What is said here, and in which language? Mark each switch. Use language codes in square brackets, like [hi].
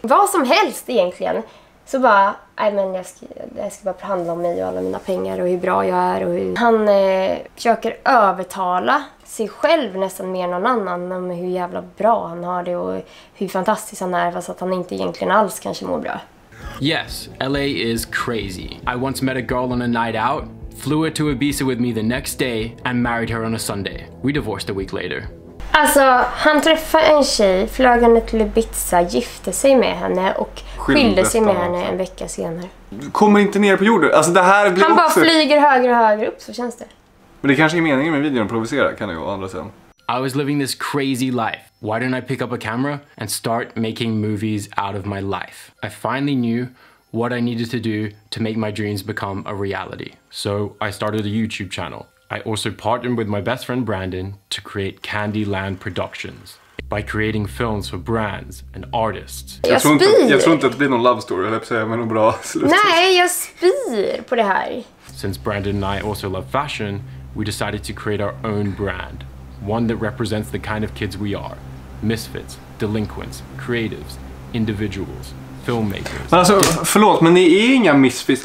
[sv] Vad som helst egentligen. Så bara, nej men jag ska bara handla om mig och alla mina pengar och hur bra jag är. Och hur... Han försöker övertala sig själv nästan mer än någon annan om hur jävla bra han har det och hur fantastiskt han är, fast att han inte egentligen alls kanske mår bra. [en] Yes, LA is crazy. I once met a girl on a night out, flew her to Ibiza with me the next day and married her on a Sunday. We divorced a week later. [sv] Alltså, han träffade en tjej, flög henne till Ibiza, gifte sig med henne och skilde sig med henne en vecka senare. Du kommer inte ner på jorden. Alltså, det här blir han också... bara flyger högre och högre upp, så känns det. Men det kanske är meningen med videon att provocera, kan det ju, å andra sidan. [en] I was living this crazy life. Why didn't I pick up a camera and start making movies out of my life? I finally knew what I needed to do to make my dreams become a reality. So I started a YouTube channel. I also partnered with my best friend Brandon to create Candyland Productions by creating films for brands and artists. [sv] Jag tror inte att det blir någon love story, eller så, men en bra slut. Nej, jag spyr på det här. [en] Since Brandon and I also love fashion, we decided to create our own brand. One that represents the kind of kids we are. Misfits, delinquents, creatives, individuals, filmmakers. [sv] Men alltså, förlåt, men ni är inga misfits.